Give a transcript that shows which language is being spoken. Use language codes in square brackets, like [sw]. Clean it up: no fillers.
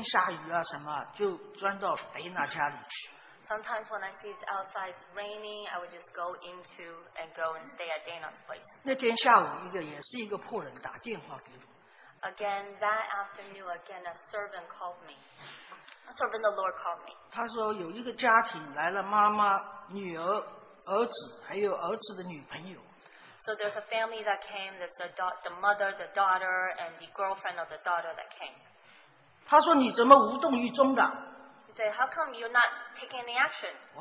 [zh] 所以常常看到天下雨啊什么，就钻到北娜家里去。 [en] Sometimes when I see it's outside it's raining, I would just go into and go and stay at Dana's place. [zh] 那天下午一个也是一个仆人打电话给我。 [en] Again, that afternoon, again, a servant called me. A servant of the Lord called me. [zh] 他说有一个家庭来了妈妈、女儿、儿子，还有儿子的女朋友。 [en] So there's a family that came. There's the mother, the daughter, and the girlfriend of the daughter that came. [zh] 他说你怎么无动于衷的？ [en] He said, how come you're not taking any action?